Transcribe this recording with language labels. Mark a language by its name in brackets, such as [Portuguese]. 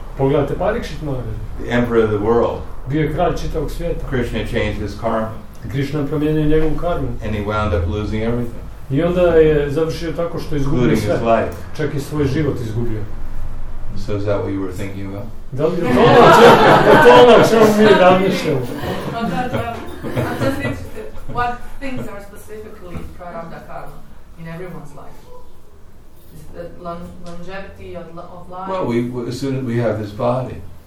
[Bosnian] Pogledajte Pariksit Maharaj. [English] The emperor of the world. [Bosnian] Bio je kralj čitavog svijeta. [English] Krishna changed his karma. [Bosnian] Krishna promijenio njegovu karmu. [English] And he wound up losing everything. [Bosnian] I onda je završio tako što je izgubio sve. [English] His life. [Bosnian] Čak i svoj život izgubio. [English] So is that what you were thinking about? [Bosnian] Da li je to ono čemu mi razmišljamo? [English] I'm just interested. What things are specifically prarabdha karma in everyone's life? The longevity of life. Well, we, as soon as we have this body.